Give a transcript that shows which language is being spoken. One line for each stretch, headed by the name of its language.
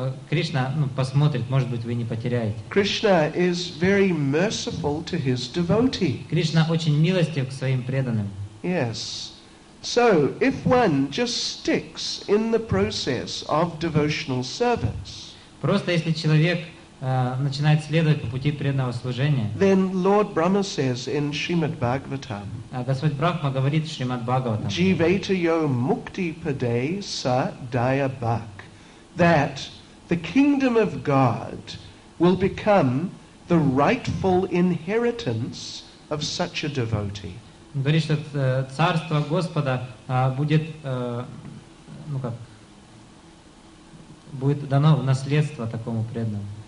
Russian: Кришна, ну, посмотрит, может быть, вы не потеряете.
English: Krishna is very merciful to his devotee.
Russian: Кришна очень милостив к своим преданным.
English: Yes. So, if one just sticks in the process of devotional service,
Russian: просто если человек начинает следовать по пути преданного служения,
English: then Lord Brahma says in Srimad Bhagavatam,
Russian: Господь Брахма говорит в Шримад Бхагаватам,
Sanskrit: Jivetayo mukti pade sa daya bhak,
English: that the kingdom of God will become the rightful inheritance of such a devotee.
Russian: Говорит, что царство Господа будет, ну как, будет дано в наследство такому преданному.